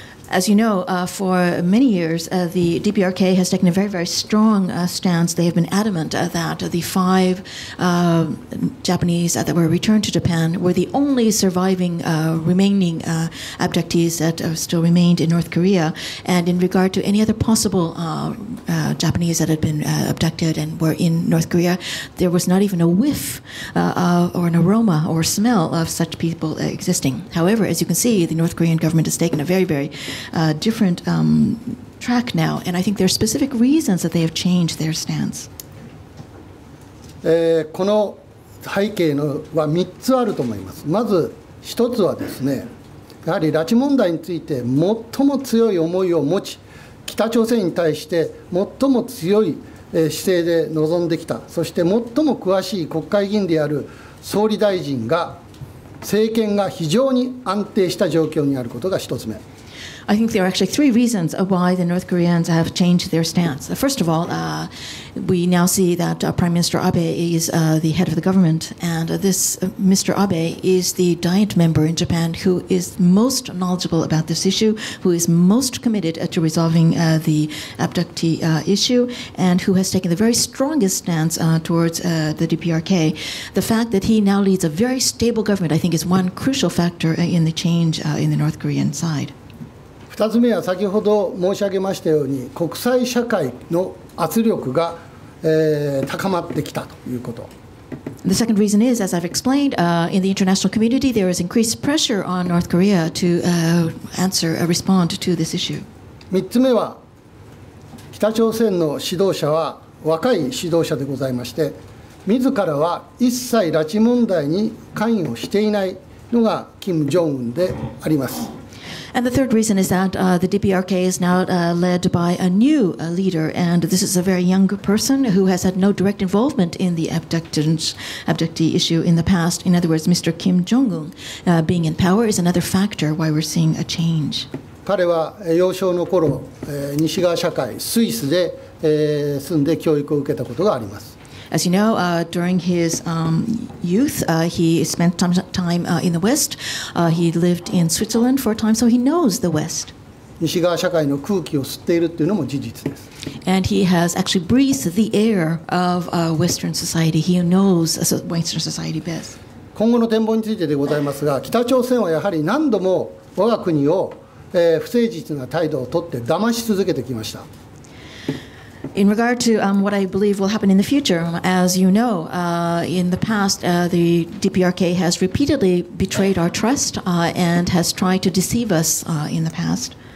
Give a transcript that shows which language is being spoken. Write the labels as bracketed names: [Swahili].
[English] As you know, for many years, the DPRK has taken a very, very strong stance. They have been adamant that the five Japanese that were returned to Japan were the only surviving remaining abductees that still remained in North Korea. And in regard to any other possible Japanese that had been abducted and were in North Korea, there was not even a whiff or an aroma or smell of such people existing. However, as you can see, the North Korean government has taken a very, very different track now, and I think there are specific reasons that they have changed their stance. [Japanese] この背景のは3つあると思います。まず1つはですね、やはり拉致問題について最も強い思いを持ち、北朝鮮に対して最も強い姿勢で臨んできた、そして最も詳しい国会議員である総理大臣が、政権が非常に安定した状況にあることが1つ目。 [English] I think there are actually three reasons why the North Koreans have changed their stance. First of all, we now see that Prime Minister Abe is the head of the government, and this Mr. Abe is the Diet member in Japan who is most knowledgeable about this issue, who is most committed to resolving the abductee issue, and who has taken the very strongest stance towards the DPRK. The fact that he now leads a very stable government, I think, is one crucial factor in the change in the North Korean side. [Japanese] 2つ目は先ほど申し上げましたように国際社会の圧力が、高まってきたということ。 [English] The second reason is, as I've explained, in the international community, there is increased pressure on North Korea to answer, respond to this issue. [Japanese] 3つ目は北朝鮮の指導者は若い指導者でございまして、自らは一切拉致問題に関与していないのが金正恩であります。 [English] And the third reason is that the DPRK is now led by a new leader, and this is a very young person who has had no direct involvement in the abductee issue in the past. In other words, Mr. Kim Jong-un being in power is another factor why we're seeing a change. [Japanese] 彼は幼少の頃、西側社会、スイスで、住んで教育を受けたことがあります。 [English] As you know, during his youth, he spent time in the West. He lived in Switzerland for a time, so he knows the West. [Japanese] 西側社会の空気を吸っているというのも事実です。 [English] And he has actually breathed the air of Western society. He knows Western society best. [Japanese] 今後の展望についてでございますが、北朝鮮はやはり何度も我が国を、不誠実な態度を取って騙し続けてきました。 [English] In regard to what I believe will happen in the future, as you know, in the past, the DPRK has repeatedly betrayed our trust and has tried to deceive us in the past.